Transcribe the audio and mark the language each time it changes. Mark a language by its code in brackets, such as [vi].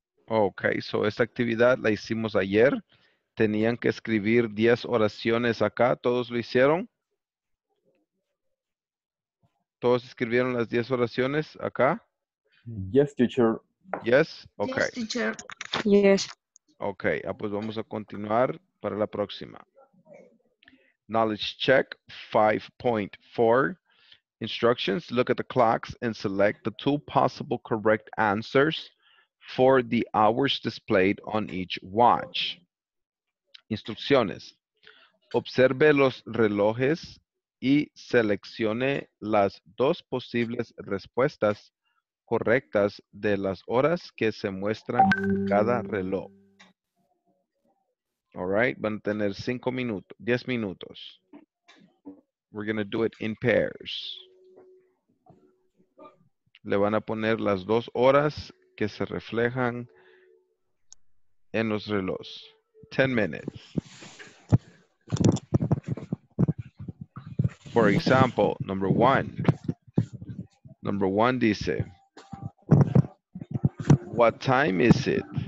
[en] Okay, so [es] esta actividad la hicimos ayer. Tenían que escribir 10 oraciones acá. ¿Todos lo hicieron? ¿Todos escribieron las 10 oraciones acá? [en] Yes, teacher. Yes? Okay. Yes, teacher. Yes. [es] Okay, pues vamos a continuar para la próxima. [en] Knowledge check 5.4. Instructions, look at the clocks and select the two possible correct answers for the hours displayed on each watch. [es] Instrucciones. Observe los relojes y seleccione las dos posibles respuestas correctas de las horas que se muestran en cada reloj. [en] All right, [es] van a tener 10 minutos. [en] We're going to do it in pairs. [es] Le van a poner las dos horas que se reflejan en los relojes. [en] 10 minutes. For example, number one [es] dice, [en] what time is it?